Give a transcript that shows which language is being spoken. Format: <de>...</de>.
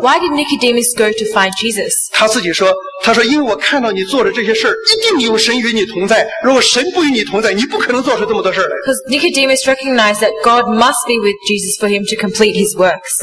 <en>？Why did Nicodemus go to find Jesus？</en> <zh>他自己说，他说因为我看到你做的这些事儿，一定有神与你同在。如果神不与你同在，你不可能做出这么多事儿来。</zh> <en>Because Nicodemus recognized that God must be with Jesus for him to complete his works.</en>